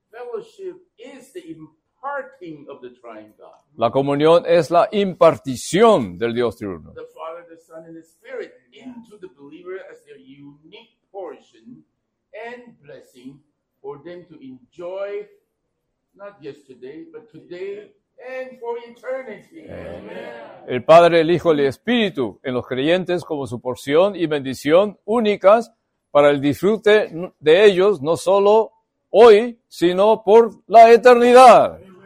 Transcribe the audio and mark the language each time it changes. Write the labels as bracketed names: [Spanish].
[English] fellowship is the imparting of the triune God. [Spanish] La comunión es la impartición del Dios triuno. [English] The Father, the Son, and the Spirit into the believer as their unique portion and blessing. For them to enjoy, not yesterday, but today and for eternity. Amen. [Spanish] El Padre, el Hijo y el Espíritu en los creyentes como su porción y bendición únicas para el disfrute de ellos, no solo hoy, sino por la eternidad.